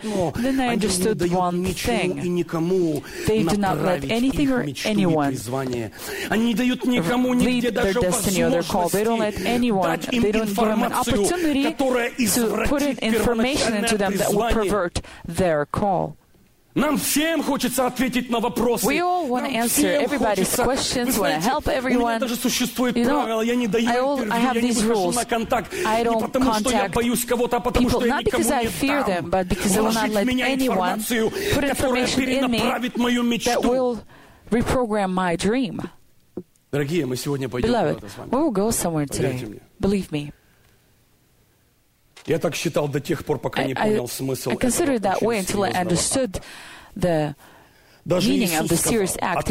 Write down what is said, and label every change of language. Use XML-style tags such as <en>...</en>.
<en>And then I understood one thing. They do not let anything or anyone lead their destiny or their call. they don't let anyone, they don't give them an opportunity to put in information into them that will pervert their call.</en> <ru>Нам всем хочется ответить на вопросы.</ru> <en>We all want to answer everybody's questions. We want to help everyone.</en> <ru>У меня даже существует правило, я не даю интервью, я не выхожу на контакт.</ru> <en>I don't</en> <ru>не потому что я боюсь кого-то, а потому что я никому не дам.</ru> <en>Not because I fear them, but because I will not let anyone put information in me that will reprogram my dream.</en> <ru>Дорогие, мы сегодня пойдем куда-то с вами.</ru> <en>Beloved, we will go somewhere today. Believe me.</en> <ru>Я так считал до тех пор, пока не понял смысл этого.</ru> <en>I considered that way until I understood the meaning of the serious act.</en>